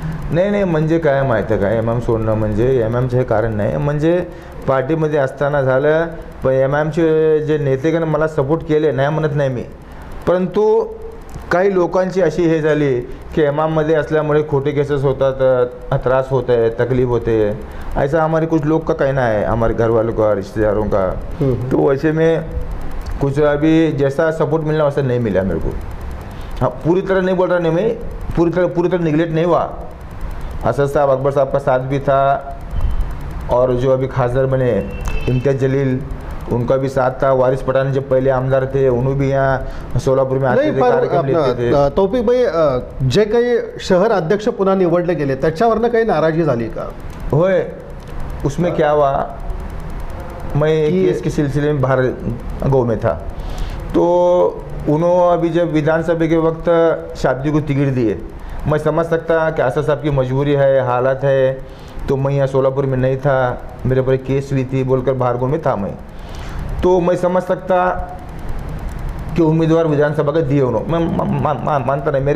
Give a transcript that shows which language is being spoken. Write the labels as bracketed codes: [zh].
[mr] नाही, म्हणजे काय माहिती आहे का, MM सोडणं म्हणजे MM चे कारण नाही, म्हणजे पार्टीमध्ये असताना झालं, पण MM चे जे नेतेगण मला सपोर्ट केले नाही म्हणत नाही मी, परंतु काही लोकांची अशी हे झाली की MM मध्ये असल्यामुळे खोटे केसेस होतात, त्रास होत आहे, तकलीफ होते, [hi] ऐसा हमारे कुछ लोग का कहना है, हमारे घरवालों का, रिश्तेदारों का। तो वैसे में कुछ अभी जैसा सपोर्ट मिलना वैसा नहीं मिला मेरे को। हाँ, पूरी तरह नहीं बोल रहा, नहीं मैं पूरी तरह निगलेक्ट नहीं हुआ। असद साहब, अकबर साहब का साथ भी था, और जो अभी खासदार बने इम्तियाज जलील, उनका भी साथ था। वारिस पठान जब पहले आमदार थे, उन्हें भी यहाँ सोलापुर में आते थे, कार्यक्रम लेते थे। [mr] तौफिक भाई, जे कहीं शहर अध्यक्ष पुनः निवडले गए त्याच्यावरन कहीं नाराजगी झाली का? [hi] होय, उसमें क्या हुआ, मैं केस के सिलसिले में बाहर गाँव में था, तो उन्होंने अभी जब विधानसभा के वक्त शादी को टिकट दिए, मैं समझ सकता कि आसा साहब की मजबूरी है, हालात है, तो मैं यहाँ सोलापुर में नहीं था, मेरे पर केस हुई थी बोलकर बाहर गाँव में था मैं, तो मैं समझ सकता कि उम्मीदवार विधानसभा का दिए उन्होंने, मैं मानता नहीं।